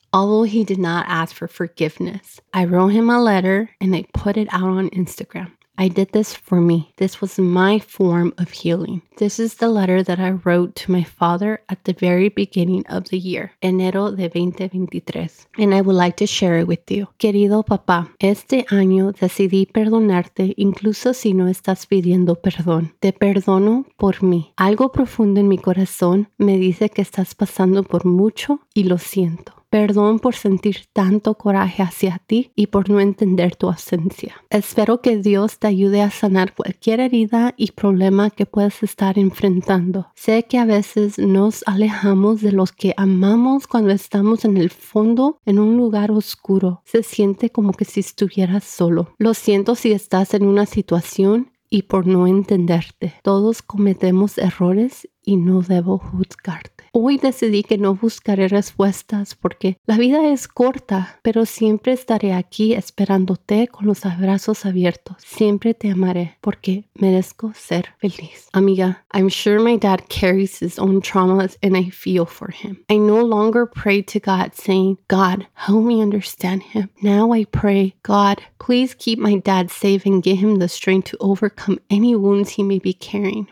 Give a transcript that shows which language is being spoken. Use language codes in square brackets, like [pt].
[en] Although he did not ask for forgiveness, I wrote him a letter and I put it out on Instagram. I did this for me. This was my form of healing. This is the letter that I wrote to my father at the very beginning of the year, [es] enero de 2023. [en] And I would like to share it with you. [es] Querido papá, este año decidí perdonarte incluso si no estás pidiendo perdón. Te perdono por mí. Algo profundo en mi corazón me dice que estás pasando por mucho y lo siento. Perdón por sentir tanto coraje hacia ti y por no entender tu ausencia. Espero que Dios te ayude a sanar cualquier herida y problema que puedas estar enfrentando. Sé que a veces nos alejamos de los que amamos cuando estamos en el fondo, en un lugar oscuro. Se siente como que si estuvieras solo. Lo siento si estás en una situación y por no entenderte. Todos cometemos errores y no debo juzgarte. Hoy decidí que no buscaré respuestas porque la vida es corta, pero siempre estaré aquí esperándote con los abrazos abiertos. Siempre te amaré porque merezco ser feliz. [en] Amiga, I'm sure my dad carries his own traumas and I feel for him. I no longer pray to God saying, God, help me understand him. Now I pray, God, please keep my dad safe and give him the strength to overcome any wounds he may be carrying.